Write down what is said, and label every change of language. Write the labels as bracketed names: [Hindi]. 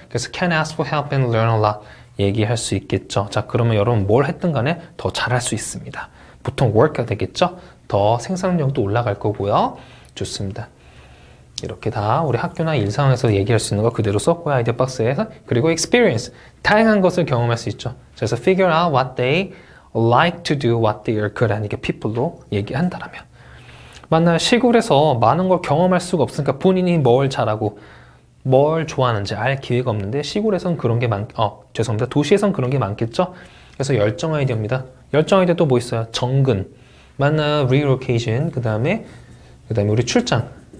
[Korean] 그래서 [English] can ask for help and learn a lot [Korean] 얘기할 수 있겠죠. 자, 그러면 여러분 뭘 했든 간에 더 잘할 수 있습니다. 보통 work가 되겠죠. 더 생산력도 올라갈 거고요. 좋습니다. 이렇게 다 우리 학교나 일상에서 얘기할 수 있는 거 그대로 썼고요. 아이디어 박스에서. 그리고 experience. 다양한 것을 경험할 수 있죠. 그래서 [English] figure out what they like to do, what they are good at. [Korean] 이게 people로 얘기한다라면. 만약 시골에서 많은 걸 경험할 수가 없으니까 본인이 뭘 잘하고 뭘 좋아하는지 알 기회가 없는데 시골에선 그런 게 많, 죄송합니다. 도시에선 그런 게 많겠죠? 그래서 열정 아이디어입니다. 열정 아이디어 또 뭐 있어요? 정근. 만약 relocation. 그 다음에 우리 출장.